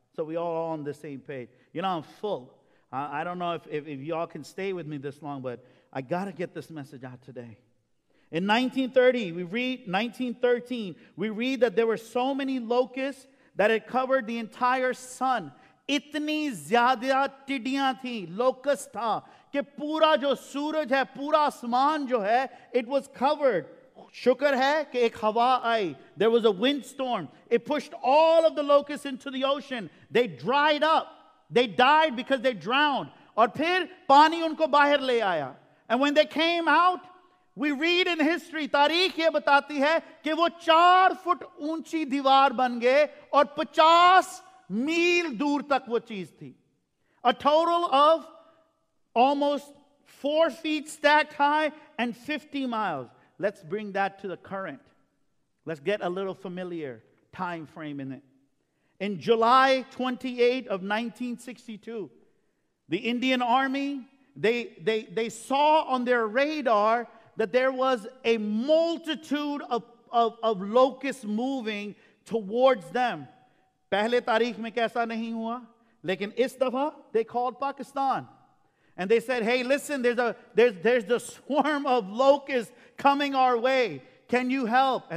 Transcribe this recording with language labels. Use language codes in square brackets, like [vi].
[en] So we all are on the same page. You know, I'm full. I don't know if y'all can stay with me this long, but I got to get this message out today. In 1913, we read that there were so many locusts that it covered the entire sun. [hi] इतनी ज्यादा टिड्डियां थी, locust था, कि पूरा जो सूरज है, पूरा आसमान जो है, [en] It was covered. [hi] शुक्र है कि एक हवा आई. [en] There was a wind storm. It pushed all of the locust into the ocean. They dried up, they died because they drowned. [hi] और फिर पानी उनको बाहर ले आया. [en] and when they came out, we read in history, [hi] तारीख ये बताती है कि वो 4 फुट ऊंची दीवार बन गए और 50 मील दूर तक वो चीज थी. [en] A total of almost 4 feet stacked high and 50 miles. Let's bring that to the current. Let's get a little familiar time frame in it. In July 28 of 1962, the Indian Army, they saw on their radar that there was a multitude of locusts moving towards them. [hi] Pehle tarikh mein kaisa nahi hua, lekin is dafa [en] they called Pakistan and they said, hey, listen, there's a swarm of locusts coming our way, can you help?